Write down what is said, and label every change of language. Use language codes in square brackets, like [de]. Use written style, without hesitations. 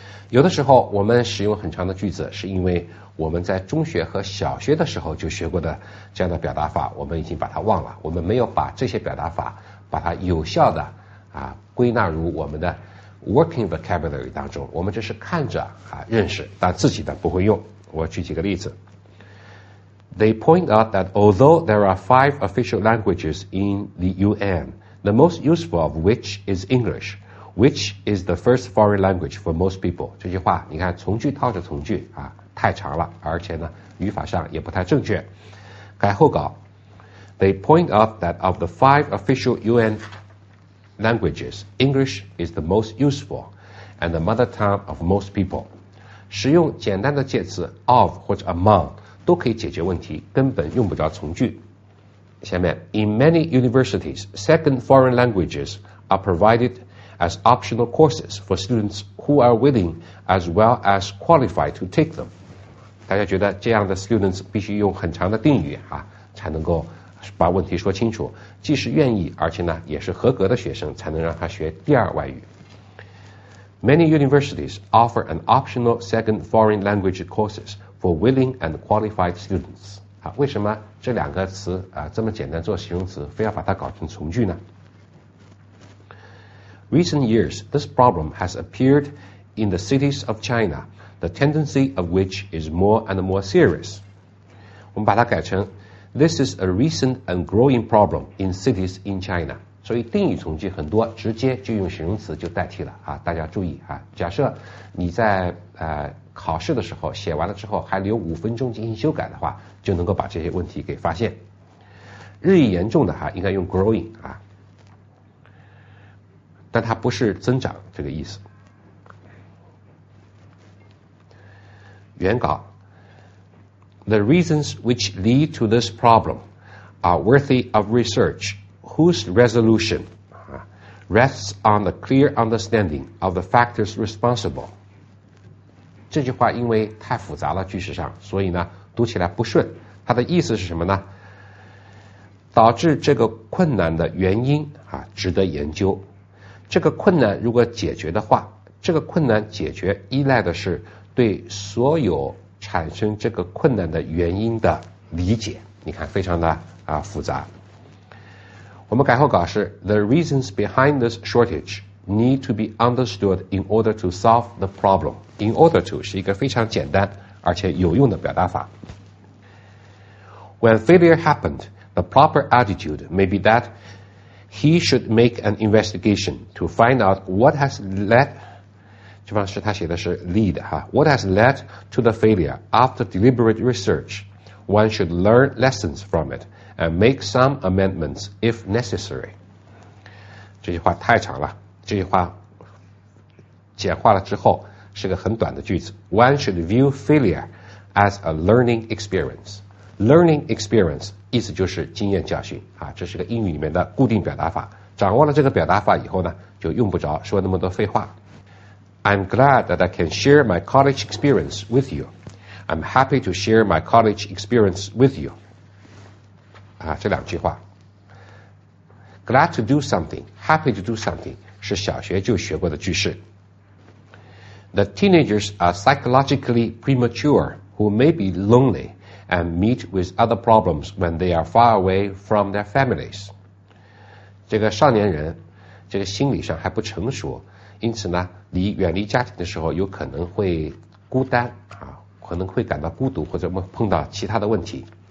[zh] 有的时候我们使用很长的句子，是因为我们在中学和小学的时候就学过的这样的表达法，我们已经把它忘了，我们没有把这些表达法把它有效的啊归纳入我们的 [en] working vocabulary [zh] 当中，我们只是看着啊认识，但自己的不会用。我举几个例子。 [en] They point out that although there are 5 official languages in the UN, the most useful of which is English, which is the first foreign language for most people. [zh] 这句话你看从句套着从句啊，太长了，而且呢语法上也不太正确。改后稿。 [en] They point out that of the 5 official UN languages, English is the most useful and the mother tongue of most people. [zh] 使用简单的介词 of 或者 among都可以解决问题，根本用不着从句。下面 [en] ，In many universities, second foreign languages are provided as optional courses for students who are willing as well as qualified to take them. [zh] 大家觉得这样的 students 必须用很长的定语啊，才能够把问题说清楚，既是愿意，而且呢也是合格的学生，才能让他学第二外语。 [en] Many universities offer an optional second foreign language courses. For willing and qualified students. [zh] 好，为什么这两个词啊这么简单做形容词，非要把它搞成从句呢？ [en] Recent years, this problem has appeared in the cities of China, the tendency of which is more and more serious. [zh] 我们把它改成 [en] This is a recent and growing problem in cities in China. [zh] 所以定语从句很多直接就用形容词就代替了啊，大家注意啊，假设你在考试的时候写完了之后还留五分钟进行修改的话，就能够把这些问题给发现。日益严重的哈，应该用 growing 啊，但它不是增长这个意思。原稿 [en] The reasons which lead to this problem are worthy of research whose resolution rests on the clear understanding of the factors responsible. [zh] 这句话因为太复杂了句式上，所以呢读起来不顺，它的意思是什么呢？导致这个困难的原因啊值得研究，这个困难如果解决的话，这个困难解决依赖的是对所有产生这个困难的原因的理解。你看非常的啊复杂。我们改后稿是 [en] The reasons behind this shortageNeed to be understood in order to solve the problem. [zh] In order to 是一个非常简单而且有用的表达法。 [en] When failure happened, the proper attitude may be that he should make an investigation to find out what has led, [zh] 这方是他写的是 [en] lead, what has led to the failure after deliberate research. One should learn lessons from it and make some amendments if necessary. [zh] 这句话太长了。这句话简化了之后是个很短的句子。 [en] One should view failure as a learning experience. [zh] Learning experience 意思就是经验教训啊，这是个英语里面的固定表达法。掌握了这个表达法以后呢，就用不着说那么多废话。 [en] I'm glad that I can share my college experience with you. I'm happy to share my college experience with you. [zh] 啊，这两句话。 [en] Glad to do something, happy to do something. [zh] 是小学就学过的句式。 [en] The teenagers are psychologically premature who may be lonely and meet with other problems when they are far away from their families. [zh] 这个少年人这个心理上还不成熟，因此呢离远离家庭的时候有可能会孤单啊，可能会感到孤独或者碰到其他的问题。